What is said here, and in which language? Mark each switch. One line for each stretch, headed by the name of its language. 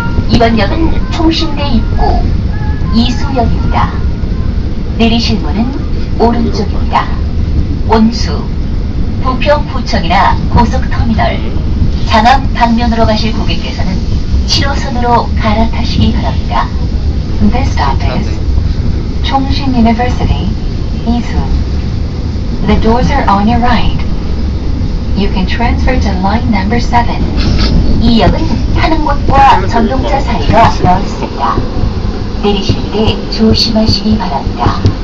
Korean: 이번 역은 총신대 입구 이수역입니다. 내리실 문은 오른쪽입니다. 온수, 부평구청이나 고속터미널, 장암 방면으로 가실 고객께서는 7호선으로 갈아타시기 바랍니다.
English: This stop is 총신 University, 이수. The doors are on your right. You can transfer to line number 7.
Korean: 이 역은 타는 곳과 전동차 사이가 넓습니다. 내리실 때 조심하시기 바랍니다.